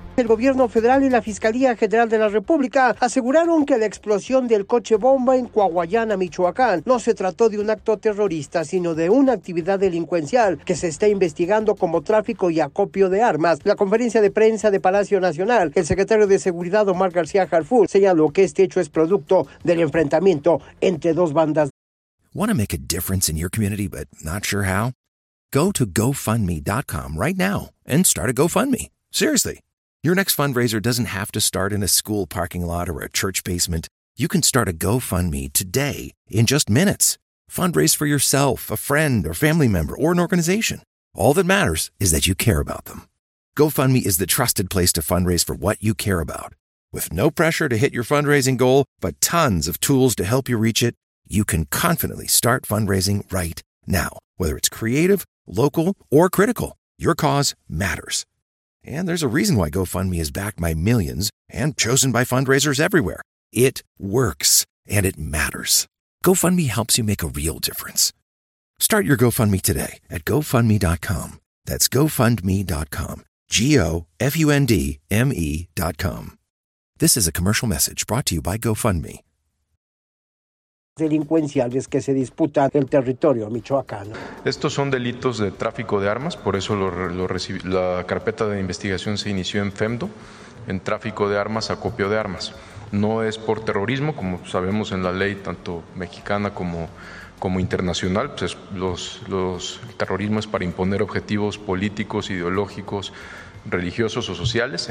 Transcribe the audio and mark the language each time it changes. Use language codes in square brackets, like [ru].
[es] El gobierno federal y la Fiscalía General de la República aseguraron que la explosión del coche bomba en Coahuayana, Michoacán, no se trató de un acto terrorista, sino de una actividad delincuencial que se está investigando como tráfico y acopio de armas. La conferencia de prensa de Palacio Nacional, el secretario de Seguridad Omar García Harfuch, señaló que este hecho es producto del enfrentamiento entre dos bandas. [en] Want to make a difference in your community but not sure how? Go to GoFundMe.com right now and start a GoFundMe. Seriously. Your next fundraiser doesn't have to start in a school parking lot or a church basement. You can start a GoFundMe today in just minutes. Fundraise for yourself, a friend, or family member, or an organization. All that matters is that you care about them. GoFundMe is the trusted place to fundraise for what you care about. With no pressure to hit your fundraising goal, but tons of tools to help you reach it, you can confidently start fundraising right now. Whether it's creative, local, or critical, your cause matters. And there's a reason why GoFundMe is backed by millions and chosen by fundraisers everywhere. It works, and it matters. GoFundMe helps you make a real difference. Start your GoFundMe today at GoFundMe.com. That's GoFundMe.com. GoFundMe.com. This is a commercial message brought to you by GoFundMe. [es] Delincuenciales que se disputan el territorio michoacano. Estos son delitos de tráfico de armas, por eso la carpeta de investigación se inició en FEMDO, en tráfico de armas, acopio de armas. No es por terrorismo, como sabemos en la ley tanto mexicana como internacional, pues el terrorismo es para imponer objetivos políticos, ideológicos, religiosos o sociales.